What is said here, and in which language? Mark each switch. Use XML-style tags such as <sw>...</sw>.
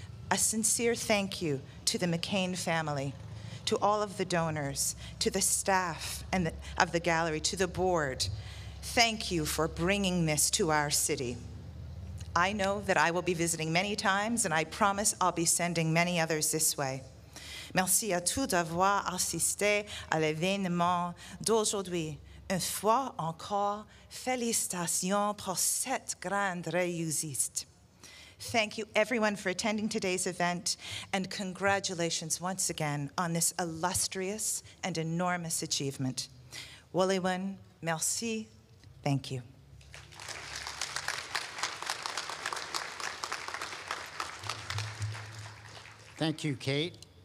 <en>A sincere thank you to the McCain family, to all of the donors, to the staff and of the gallery, to the board. Thank you for bringing this to our city. I know that I will be visiting many times, and I promise I'll be sending many others this way.</en> <fr>Merci à tous d'avoir assisté à l'événement d'aujourd'hui. Une fois encore, félicitations pour cette grande réussite.</fr> <en>Thank you, everyone, for attending today's event, and congratulations once again on this illustrious and enormous achievement. Woolleywin, merci, thank you. Thank you, Kate.</en>